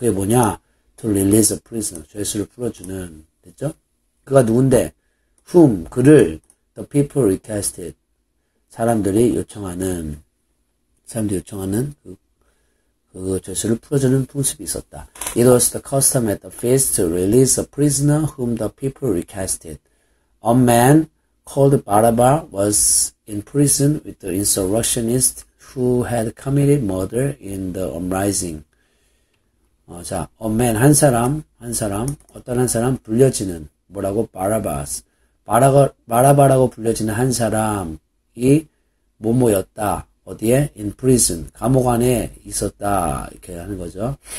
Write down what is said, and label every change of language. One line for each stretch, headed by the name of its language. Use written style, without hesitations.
Korean: 그게 뭐냐?
English: To release a prisoner.
Korean: 죄수를 풀어주는. 됐죠? 그가 누군데?
English: Whom?
Korean: 그를.
English: The people requested.
Korean: 사람들이 요청하는. 사람들이 요청하는 그 죄수를 풀어주는 풍습이 있었다.
English: It was the custom at the feast to release a prisoner whom the people requested. A man called Barabbas was in prison with the insurrectionist who had committed murder in the uprising.
Korean: 자,
English: a man,
Korean: 한 사람, 어떤 한 사람 불려지는, 뭐라고?
English: Barabbas.
Korean: 바라바라고 불려지는 한 사람이 뭐뭐였다. 어디에?
English: In prison.
Korean: 감옥 안에 있었다. 이렇게 하는 거죠.